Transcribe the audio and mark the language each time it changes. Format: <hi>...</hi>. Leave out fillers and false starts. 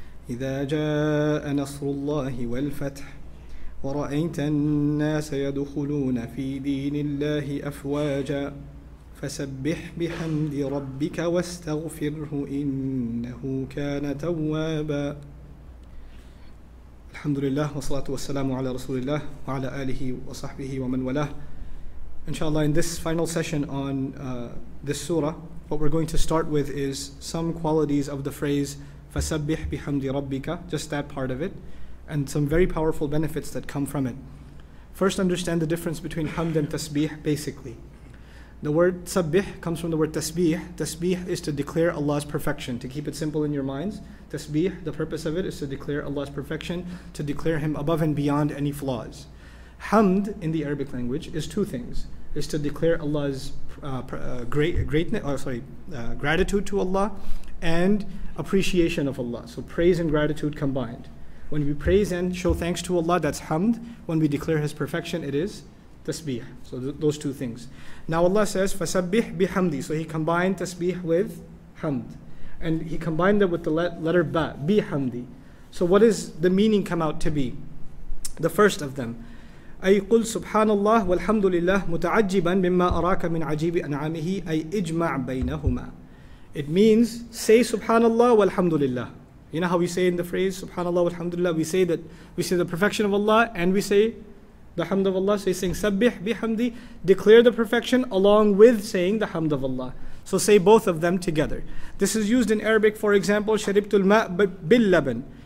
<ar>إذا جاء نصر الله والفتح ورأيت الناس يدخلون في دين الله أفواجا فسبح بحمد ربك واستغفره إنه كان توابا. الحمد لله والصلاة والسلام على رسول الله وعلى آله وصحبه ومن والاه.</ar> <en>Inshallah, in this final session on this surah, what we're going to start with is some qualities of the phrase</en> <ar>فَسَبِّحْ بِحَمْدِ رَبِّكَ,</ar> <en>just that part of it, and some very powerful benefits that come from it. First, understand the difference between hamd and tasbih, basically. The word sabbih comes from the word tasbih. Tasbih is to declare Allah's perfection, to keep it simple in your minds. Tasbih, the purpose of it is to declare Allah's perfection, to declare Him above and beyond any flaws. Hamd in the Arabic language is two things: is to declare Allah's gratitude to Allah, and appreciation of Allah. So praise and gratitude combined. When we praise and show thanks to Allah, that's hamd. When we declare His perfection, it is tasbih. So those two things. Now Allah says, "Fasabbih bihamdi." So He combined tasbih with hamd, and He combined it with the letter ba, bihamdi. So what is the meaning come out to be? The first of them.</en> <ar>أي قل سبحان الله والحمد لله متعجبا مما أراك من عجيب أنعامه أي إجمع بينهما.</ar> <en>It means, say subhanallah walhamdulillah. You know how we say in the phrase subhanallah walhamdulillah, we say that we say the perfection of Allah and we say the hamd of Allah. So he's saying sabbih bihamdi, declare the perfection along with saying the hamd of Allah. So say both of them together. This is used in Arabic, for example,</en> <ar>شربت الماء باللبن.</ar>